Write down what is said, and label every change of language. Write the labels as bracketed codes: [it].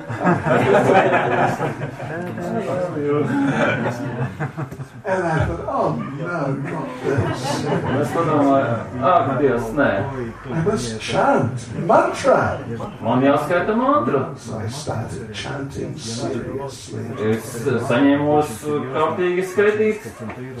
[en] And I thought, oh no, not this. [lv] Mēs padomājām, ak, Dievs, nē. [en] I must chant mantra. [lv] Man jāskaita mantra. [en] So I started chanting seriously. [lv] Es saņēmos kārtīgi skaitīt.